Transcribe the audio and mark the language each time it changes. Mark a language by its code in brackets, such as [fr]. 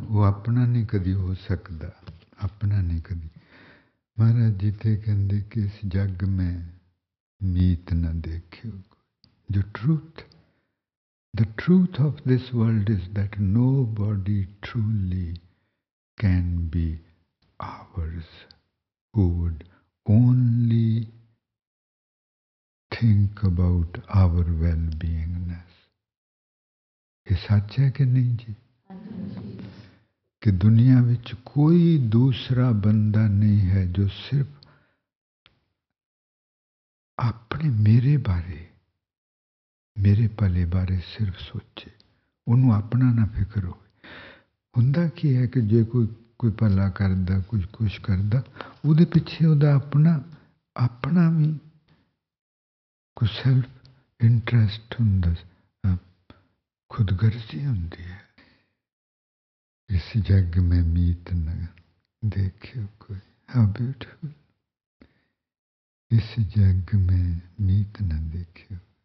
[pa] ਉਹ ਆਪਣਾ ਨਹੀਂ ਕਦੀ ਹੋ ਸਕਦਾ ਆਪਣਾ ਨਹੀਂ ਕਦੀ ਮਹਾਰਾਜ ਜੀ ਤਾਂ ਕਹਿੰਦੇ ਕਿ ਇਸ ਜੱਗ ਮੈਂ ਮੀਤ ਨਾ ਦੇਖਿਓ [en] The truth, the truth of this world is that nobody truly can be ours who would only think about our well-beingness. Is it true or not? That in the world there is no other person who is only thinking about me. [pa] ਮੇਰੇ ਭਲੇ ਬਾਰੇ ਸਿਰਫ ਸੋਚੇ ਉਹਨੂੰ ਆਪਣਾ ਨਾ ਫਿਕਰ ਹੋਵੇ ਹੁੰਦਾ ਕੀ ਹੈ ਕਿ ਜੇ ਕੋਈ ਕੋਈ ਭਲਾ ਕਰਦਾ ਕੁਝ ਕੁਛ ਕਰਦਾ ਉਹਦੇ ਪਿੱਛੇ ਉਹਦਾ ਆਪਣਾ ਵੀ ਕੁਛ ਸੈਲਫ ਇੰਟਰਸਟ ਹੁੰਦਾ ਖੁਦਗਰਜ਼ੀ ਹੁੰਦੀ ਹੈ ਇਸ ਜੱਗ ਮੈਂ ਮੀਤ ਨਾ ਦੇਖਿਓ ਕੋਈ ਹਾਂ ਬਿਊਟੀਫੁਲ ਇਸ ਜੱਗ ਮੈਂ ਮੀਤ ਨਾ ਦੇਖਿਓ